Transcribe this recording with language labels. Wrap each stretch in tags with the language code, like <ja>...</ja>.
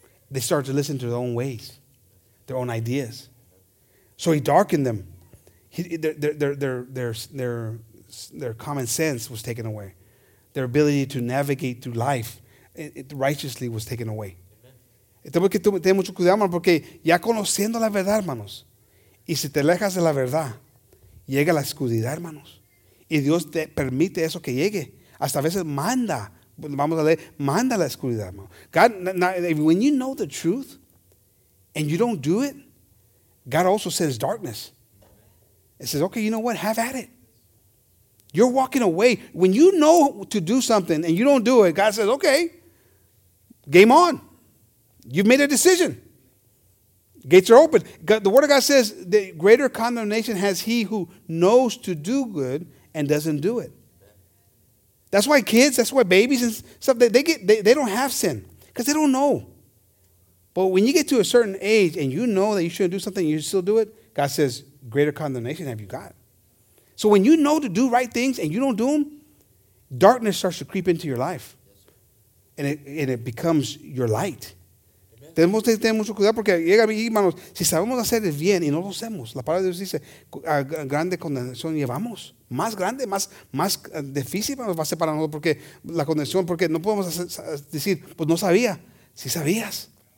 <en>They started to listen to their own ways, their own ideas. So he darkened them. Their common sense was taken away. Their ability to navigate through life righteously was taken away.</en> <es>Tenemos que tener mucho cuidado, hermano, porque ya conociendo la verdad, hermanos, y si te alejas de la verdad, llega la oscuridad, hermanos. Y Dios te permite eso que llegue. Hasta a veces manda, vamos a leer, manda la oscuridad, hermano.</es> <en>God, now, when you know the truth and you don't do it, God also sends darkness. It says, okay, you know what? Have at it. You're walking away. When you know to do something and you don't do it, God says, okay, game on. You've made a decision. Gates are open. The word of God says, the greater condemnation has he who knows to do good and doesn't do it. That's why kids, that's why babies and stuff, they don't have sin because they don't know. But when you get to a certain age and you know that you shouldn't do something, you still do it, God says, greater condemnation have you got. So when you know to do right things and you don't do them, darkness starts to creep into your life. And it becomes your light.</en> <es>Tenemos que tener mucho cuidado porque llega a mí, hermanos, si sabemos hacer el bien y no lo hacemos, la palabra de Dios dice, a grande condenación llevamos. Más grande, más difícil va a ser para nosotros porque la condenación, porque no podemos decir, pues no sabía. Sí sabías.</es>